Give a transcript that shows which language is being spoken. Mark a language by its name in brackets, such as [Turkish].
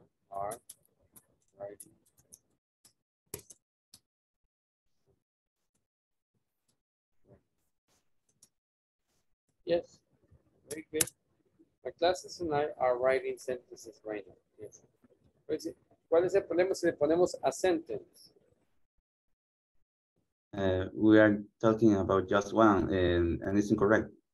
[English] Are writing. Yes, very good. My classes and I are writing sentences right now. Yes. [Spanish] ¿Cuál es el problema si le ponemos a sentence? [English] We are talking about just one and it's incorrect.